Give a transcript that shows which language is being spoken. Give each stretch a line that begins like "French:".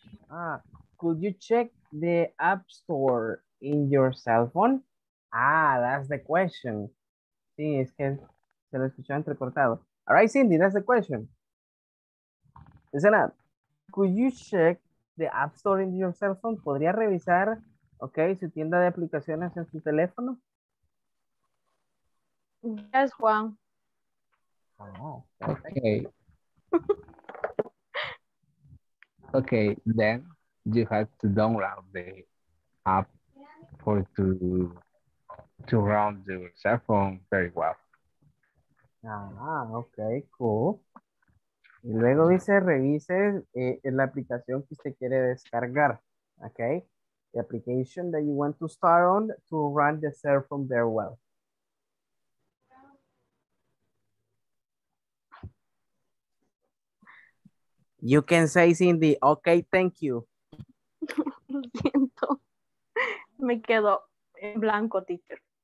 English: Ah, could you check the app store in your cell phone? Ah, that's the question.
Spanish: Sí, es que se lo escuchó entrecortado.
English: All right, Cindy, that's the question. Listen up. Could you check the app store in your cell phone?
Spanish: ¿Podría revisar? Ok, ¿su tienda de aplicaciones en su teléfono?
English: Yes, Juan. Oh, okay. Okay, then you have to download the app for to run the cell phone very well. Ah, okay, cool.
Spanish: Y luego dice, revise la aplicación que usted quiere descargar, okay?
English: The application that you want to start on to run the cell phone very well. You can say, Cindy, okay, thank you.
Spanish: Lo siento. Me quedo en blanco, teacher.